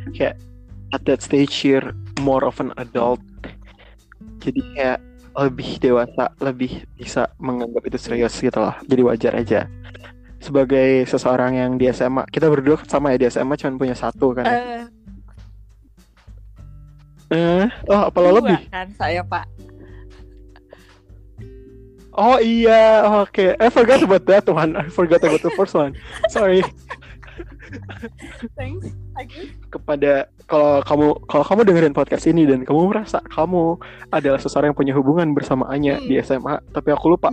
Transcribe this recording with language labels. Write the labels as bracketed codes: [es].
[id] Kayak [en] at that stage you're more of an adult. [id] Jadi kayak lebih dewasa, lebih bisa menganggap itu serius gitu loh. Jadi wajar aja. Sebagai seseorang yang di SMA, kita berdua sama ya di SMA cuma punya satu kan. Oh, apa lebih? Kan saya, Pak. Oh iya, oke. [en] Okay. I forgot about that one. I forgot about the first one. Sorry. Thanks. Okay. [id] Kepada kalau kamu dengerin podcast ini dan kamu merasa kamu adalah seseorang yang punya hubungan bersama Anya di SMA, tapi aku lupa.